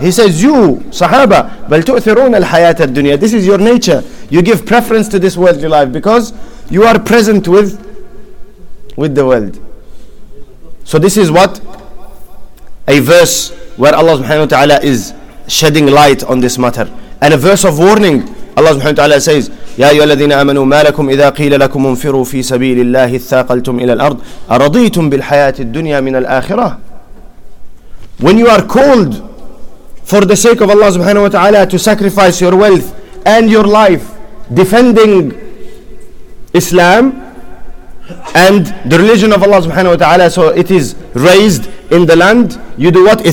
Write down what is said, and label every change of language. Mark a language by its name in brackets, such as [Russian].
[English] He says, you, Sahaba, [Arabic] بَلْ تُؤْثِرُونَ الْحَيَاةَ الدُّنْيَا. [English] This is your nature. You give preference to this worldly life because you are present with the world. So this is what a verse where Allah subhanahu wa ta'ala is shedding light on this matter, and a verse of warning. Allah subhanahu wa ta'ala says, [Arabic] يا أيها الذين آمنوا ما لكم إذا قيل لكم انفروا في سبيل الله اثاقلتم إلى الأرض أرضيتم بالحياة الدنيا من الآخرة. [English] When you are called for the sake of Allah subhanahu wa ta'ala to sacrifice your wealth and your life defending Islam and the religion of Allah subhanahu wa ta'ala, so it is raised in the land, you do what?